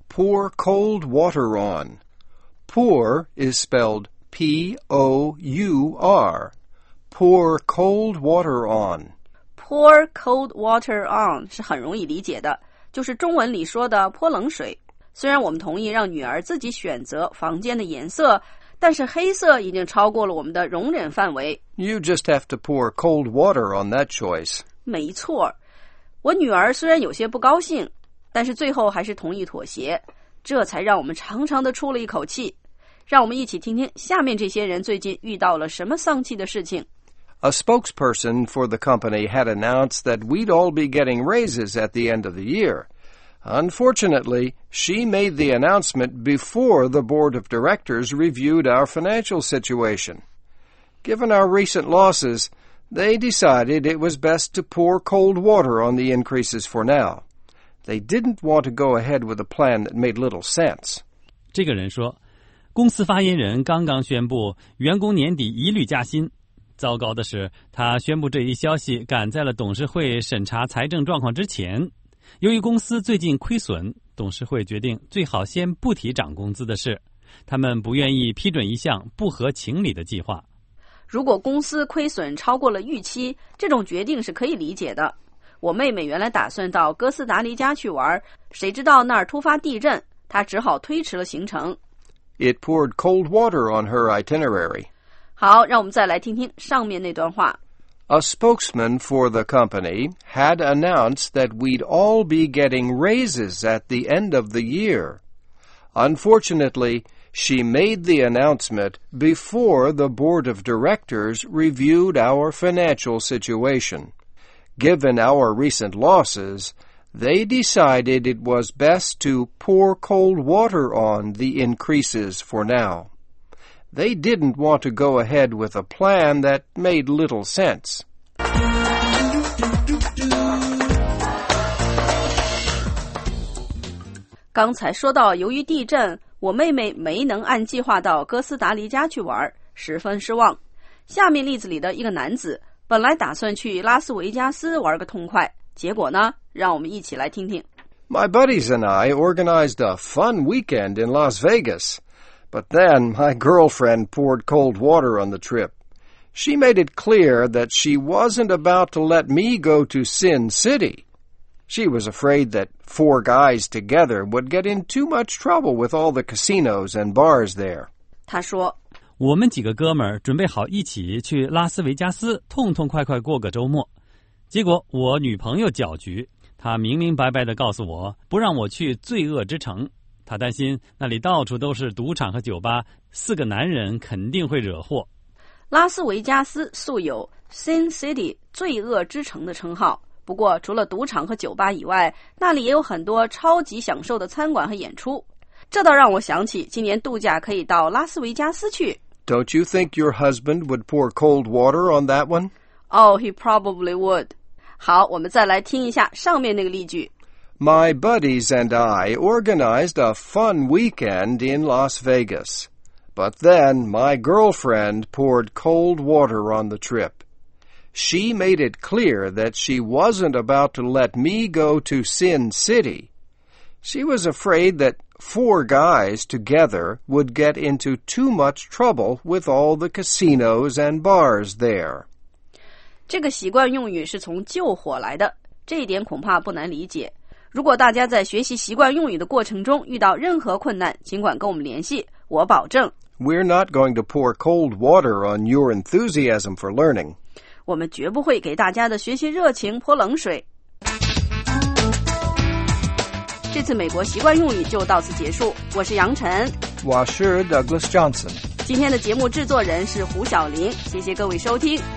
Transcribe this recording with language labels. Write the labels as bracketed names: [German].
[English] pour cold water on。 pour is spelled P-O-U-R。 Pour cold water on. Pour cold water on [Chinese] 是很容易理解的，就是中文里说的泼冷水。虽然我们同意让女儿自己选择房间的颜色，但是黑色已经超过了我们的容忍范围。 [English] You just have to pour cold water on that choice. [Chinese] 没错，我女儿虽然有些不高兴，但是最后还是同意妥协，这才让我们长长的出了一口气。让我们一起听听下面这些人最近遇到了什么丧气的事情。 [English] A spokesperson for the company had announced that we'd all be getting raises at the end of the year. Unfortunately, she made the announcement before the board of directors reviewed our financial situation. Given our recent losses, they decided it was best to pour cold water on the increases for now. They didn't want to go ahead with a plan that made little sense. [Chinese] 这个人说，公司发言人刚刚宣布员工年底一律加薪。糟糕的是，他宣布这一消息赶在了董事会审查财政状况之前。由于公司最近亏损，董事会决定最好先不提涨工资的事。他们不愿意批准一项不合情理的计划。如果公司亏损超过了预期，这种决定是可以理解的。我妹妹原来打算到哥斯达黎加去玩，谁知道那儿突发地震，她只好推迟了行程。 [English] It poured cold water on her itinerary. [Chinese] 好，让我们再来听听上面那段话。 [English] A spokesman for the company had announced that we'd all be getting raises at the end of the year. Unfortunately, she made the announcement before the board of directors reviewed our financial situation. Given our recent losses, they decided it was best to pour cold water on the increases for now. They didn't want to go ahead with a plan that made little sense. [Chinese] 刚才说到由于地震，我妹妹没能按计划到哥斯达黎加去玩，十分失望。下面例子里的一个男子本来打算去拉斯维加斯玩个痛快，结果呢，让我们一起来听听。 [English] My buddies and I organized a fun weekend in Las Vegas. But then my girlfriend poured cold water on the trip. She made it clear that she wasn't about to let me go to Sin City. She was afraid that four guys together would get in too much trouble with all the casinos and bars there. [Chinese] 她说，我们几个哥们儿准备好一起去拉斯维加斯痛痛快快过个周末，结果我女朋友搅局，她明明白白地告诉我不让我去罪恶之城，她担心那里到处都是赌场和酒吧，四个男人肯定会惹祸。拉斯维加斯素有 Sin City 罪恶之城的称号，不过除了赌场和酒吧以外，那里也有很多超级享受的餐馆和演出。这倒让我想起今年度假可以到拉斯维加斯去。 [English] Don't you think your husband would pour cold water on that one? Oh, he probably would. [Chinese] 好，我们再来听一下上面那个例句。 [English] My buddies and I organized a fun weekend in Las Vegas. But then my girlfriend poured cold water on the trip. She made it clear that she wasn't about to let me go to Sin City. She was afraid that four guys together would get into too much trouble with all the casinos and bars there. [Chinese] 这个习惯用语是从救火来的，这一点恐怕不难理解。如果大家在学习习惯用语的过程中遇到任何困难，尽管跟我们联系，我保证。 [English] We're not going to pour cold water on your enthusiasm for learning. [Chinese] 我们绝不会给大家的学习热情泼冷水。这次美国习惯用语就到此结束，我是杨晨，我是 Douglas Johnson，今天的节目制作人是胡晓玲，谢谢各位收听。